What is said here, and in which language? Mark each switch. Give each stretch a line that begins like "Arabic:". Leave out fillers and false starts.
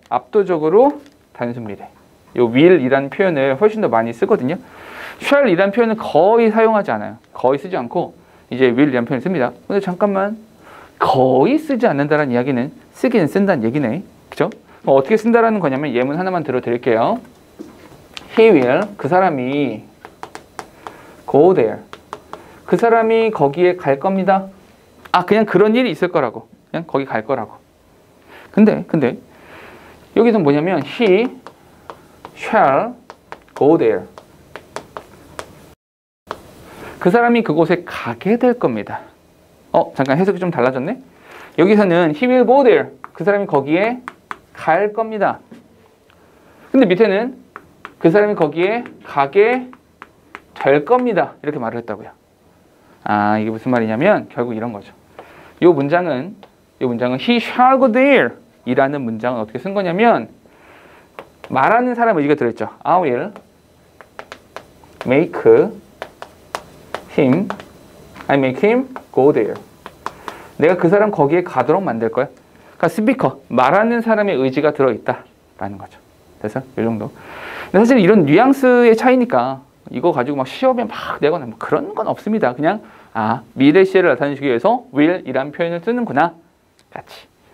Korean: 압도적으로 단순 미래. 요 will이라는 표현을 훨씬 더 많이 쓰거든요. shall이라는 표현은 거의 사용하지 않아요. 거의 쓰지 않고 이제 will이라는 표현을 씁니다. 근데 잠깐만, 거의 쓰지 않는다는 이야기는 쓰기는 쓴다는 얘기네. 그죠? 어떻게 쓴다라는 거냐면, 예문 하나만 들어드릴게요.
English: He will,
Korean: 그 사람이
English: go there.
Korean: 그 사람이 거기에 갈 겁니다. 그냥 그런 일이 있을 거라고. 그냥 거기 갈 거라고. 근데 여기서 뭐냐면
English: he shall go there.
Korean: 그 사람이 그곳에 가게 될 겁니다. 잠깐 해석이 좀 달라졌네. 여기서는
English: he will go there.
Korean: 그 사람이 거기에 갈 겁니다. 근데 밑에는 그 사람이 거기에 가게 될 겁니다. 이렇게 말을 했다고요. 아, 이게 무슨 말이냐면 결국 이런 거죠. 이 문장은
English: he shall go there
Korean: 이라는 문장은 어떻게 쓴 거냐면 말하는 사람 의지가 들어있죠.
English: I will make him, I make him go there.
Korean: 내가 그 사람 거기에 가도록 만들 거야. 그러니까 스피커, 말하는 사람의 의지가 들어있다 라는 거죠. 그래서 이 정도. 근데 사실 이런 뉘앙스의 차이니까 이거 가지고 막 시험에 막 내거나 뭐 그런 건 없습니다. 그냥 아, 미래 시제를 나타내시기 위해서 will 이란 표현을 쓰는구나. 같이.